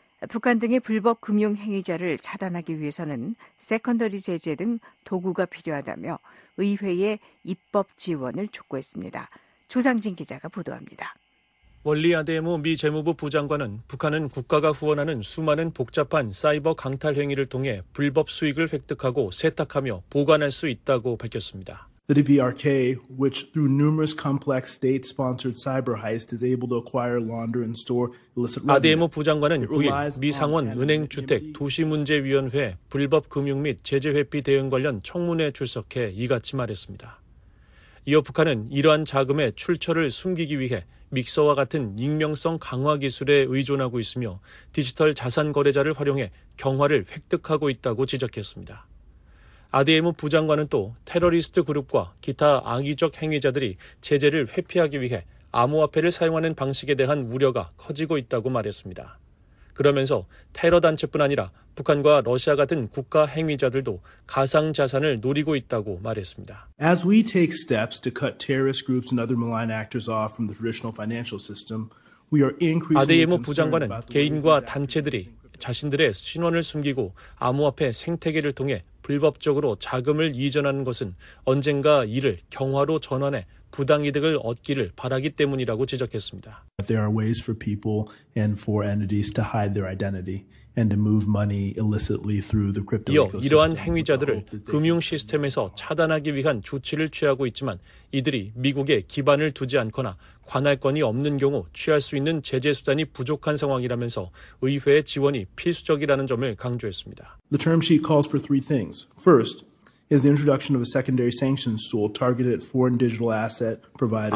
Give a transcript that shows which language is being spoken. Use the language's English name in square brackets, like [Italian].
[Korean] 북한 등의 불법 금융 행위자를 차단하기 위해서는 세컨더리 제재 등 도구가 필요하다며 의회에 입법 지원을 촉구했습니다. 조상진 기자가 보도합니다. 월리 아데모 미 재무부 부장관은 북한은 국가가 후원하는 수많은 복잡한 사이버 강탈 행위를 통해 불법 수익을 획득하고 세탁하며 보관할 수 있다고 밝혔습니다. [English] The DBRK, which through numerous complex state-sponsored cyber heist is able to acquire, launder, and store illicit revenue. [Korean] 아데모 부장관은 9일 미 상원 은행 주택 도시 문제 위원회 불법 금융 및 제재 회피 대응 관련 청문회에 출석해 이같이 말했습니다. 이어 북한은 이러한 자금의 출처를 숨기기 위해 믹서와 같은 익명성 강화 기술에 의존하고 있으며 디지털 자산 거래자를 활용해 경화를 획득하고 있다고 지적했습니다. 아디에무 부장관은 또 테러리스트 그룹과 기타 악의적 행위자들이 제재를 회피하기 위해 암호화폐를 사용하는 방식에 대한 우려가 커지고 있다고 말했습니다. 그러면서 테러 단체뿐 아니라 북한과 러시아 같은 국가 행위자들도 가상 자산을 노리고 있다고 말했습니다. [English] As we take steps to cut terrorist groups and other malign actors off from the traditional financial system, we are increasingly concerned about the ways that [Korean] 부장관은 개인과 단체들이 자신들의 신원을 숨기고 암호화폐 생태계를 통해 불법적으로 자금을 이전하는 것은 언젠가 이를 경화로 전환해 부당 이득을 얻기를 바라기 때문이라고 지적했습니다. [English] There are ways for people and for entities to hide their identity and to move money illicitly through the crypto ecosystem. [Korean] 이러한 행위자들을 금융 시스템에서 차단하기 위한 조치를 취하고 있지만 이들이 미국에 기반을 두지 않거나 관할권이 없는 경우 취할 수 있는 제재 수단이 부족한 상황이라면서 의회의 지원이 필수적이라는 점을 강조했습니다. [English] The term sheet calls for three things. First, is the introduction of a secondary sanctions tool targeted at foreign digital asset providers.